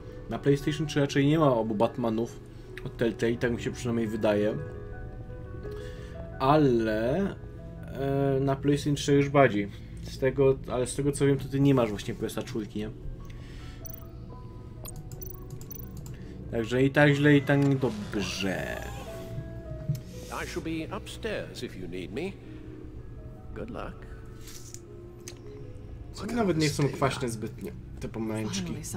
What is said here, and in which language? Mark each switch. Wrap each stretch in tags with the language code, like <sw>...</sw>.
<pl>Na PlayStation 3 raczej nie ma obu Batmanów od Telltale, tak mi się przynajmniej wydaje. Ale... na PlayStation 3 już bardziej. Z tego co wiem, to ty nie masz właśnie PS4, nie? Także i tak źle, i tak dobrze.</pl> <en>I shall be upstairs if you need me. Good luck.</en> <pl>Co mi nawet nie są kwaśne zbytnie, te pomęczki.</pl>